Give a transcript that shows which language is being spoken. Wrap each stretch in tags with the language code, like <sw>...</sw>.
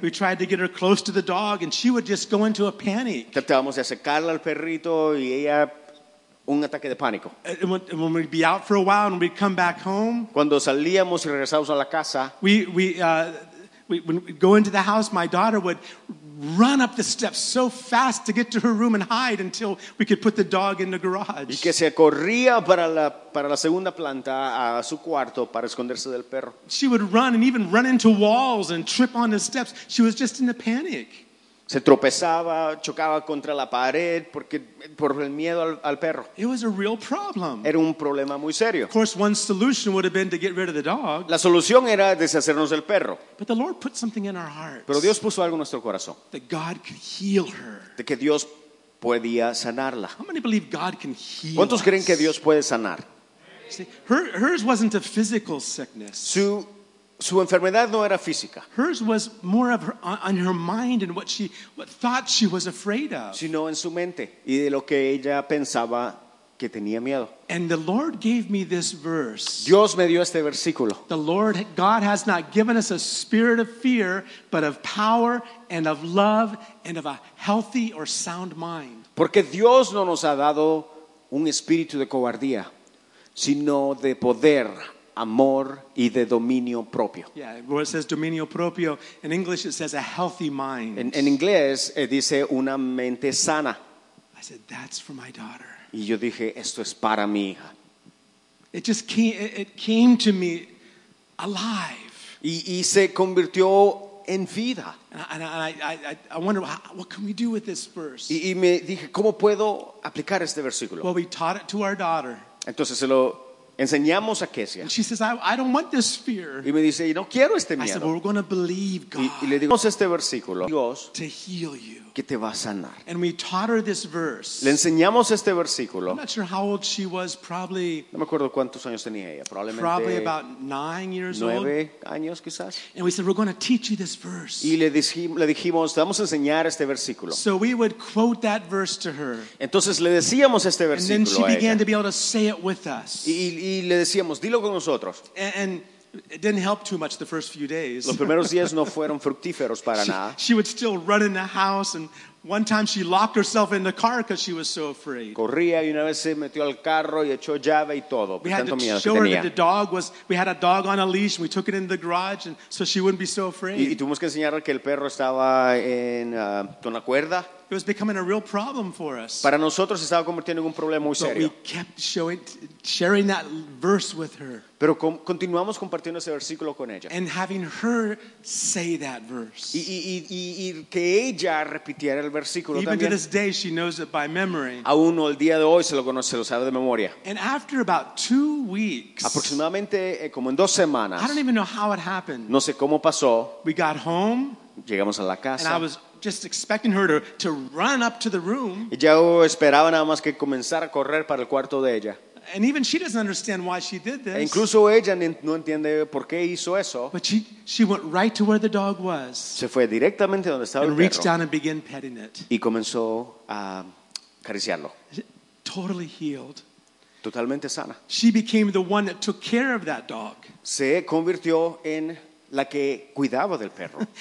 <en>We tried to get her close to the dog and she would just go into a panic.</en> <es>Tratábamos de acercarla al perrito y ella un ataque de pánico.</es> <en>When we'd be out for a while and we'd come back home,</en> <es>cuando salíamos y regresábamos a la casa,</es> <en>when we'd go into the house, my daughter would run up the steps so fast to get to her room and hide until we could put the dog in the garage.</en> <es>Y que se corría para la segunda planta a su cuarto para esconderse del perro.</es> <en>She would run and even run into walls and trip on the steps. She was just in a panic.</en> <es>Se tropezaba, chocaba contra la pared porque por el miedo al perro.</es> <en>It was a real problem.</en> <es>Era un problema muy serio.</es> <en>Of course, one solution would have been to get rid of the dog.</en> <es>La solución era deshacernos del perro.</es> <en>But the Lord put something in our hearts.</en> <es>Pero Dios puso algo en nuestro corazón.</es> <en>That God could heal her.</en> <es>De que Dios podía sanarla.</es> <en>How many believe God can heal?</en> <es>¿Cuántos creen que Dios puede sanar?</es> <en>See, hers wasn't a physical sickness.</en> <es>Su enfermedad no era física.</es> <en>Hers was more of on her mind and what thought she was afraid of.</en> <es>Sino en su mente y de lo que ella pensaba que tenía miedo.</es> <en>And the Lord gave me this verse.</en> <es>Dios me dio este versículo.</es> <en>The Lord God has not given us a spirit of fear, but of power and of love and of a healthy or sound mind.</en> <es>Porque Dios no nos ha dado un espíritu de cobardía, sino de poder, amor y de dominio propio.</es> <en>Yeah, where it says</en> <es>dominio propio,</es> <en>in English it says a healthy mind.</en> <es>En inglés dice una mente sana.</es> <en>I said, that's for my daughter.</en> <es>Y yo dije, esto es para mi hija.</es> <en>It just came to me alive.</en> <es>Y se convirtió en vida.</es> <en>And I wonder, what can we do with this verse?</en> <es>Y me dije, ¿cómo puedo aplicar este versículo?</es> <en>Well, we taught it to our daughter.</en> <es>Entonces se lo enseñamos a Kezia.</es> <en>And she says, I don't want this fear.</en> <es>Y me dice, no quiero este miedo.</es> <en>I said, well, we're going to believe God.</en> <es>Y le digo, este versículo, Dios,</es> <en>to heal you.</en> <es>Que te va a sanar.</es> <en>And we taught her this verse.</en> <es>Le enseñamos este versículo.</es> <en>I'm not sure how old she was, probably.</en> <es>No me acuerdo cuántos años tenía ella.</es> <en>Probablemente probably about 9 years</en> <es>nueve</es> <en>old.</en> <es>9 años, quizás.</es> <en>And we said, we're going to teach you this verse.</en> <es>Y le dijimos, te vamos a enseñar este versículo.</es> <en>So we would quote that verse to her.</en> <es>Entonces le decíamos este versículo.</es> <en>And then she a began To be able to say it with us.</en> <es>Y le decíamos, dilo con nosotros.</es> <en>And it didn't help too much the first few days.</en> <es>Los primeros días no fueron fructíferos para nada.</es> <en>She would still run in the house, and one time she locked herself in the car because she was so afraid.</en> <es>Corría y una vez se metió al carro y echó llave y todo.</es> <en>We had to show her that the dog was. We had a dog on a leash. And we took it in the garage, and so she wouldn't be so afraid.</en> <es>Y tuvimos que enseñar que el perro estaba en con la cuerda.</es> <en>It was becoming a real problem for us.</en> <es>Para nosotros estaba convirtiendo en un problema muy serio.</es> <en>But we kept sharing that verse with her.</en> <es>Pero continuamos compartiendo ese versículo con ella.</es> <en>And having her say that verse.</en> <es>Y que ella repitiera el versículo</es> <en>Even</en> <es>también.</es> <en>To this day, she knows it by memory.</en> <es>Aún el día de hoy se lo conoce, lo sabe de memoria.</es> <en>And after about 2 weeks,</en> <es>aproximadamente como en 2 semanas,</es> <en>I don't even know how it happened.</en> <es>No sé cómo pasó.</es> <en>We got home.</en> <es>Llegamos a la casa.</es> <en>And I was just expecting her to run up to the room.</en> <es>Ya esperaba nada más que comenzar a correr para el cuarto de ella.</es> <en>And even she doesn't understand why she did this.</en> <es>E incluso ella no entiende por qué hizo eso.</es> <en>But she went right to where the dog was.</en> <es>Se fue directamente donde estaba el perro.</es> <en>And reached down and began petting it.</en> <es>Y comenzó a acariciarlo.</es> <en>Totally healed.</en> <es>Totalmente sana.</es> <en>She became the one that took care of that dog.</en> <es>Se convirtió en la que cuidaba del perro.</es>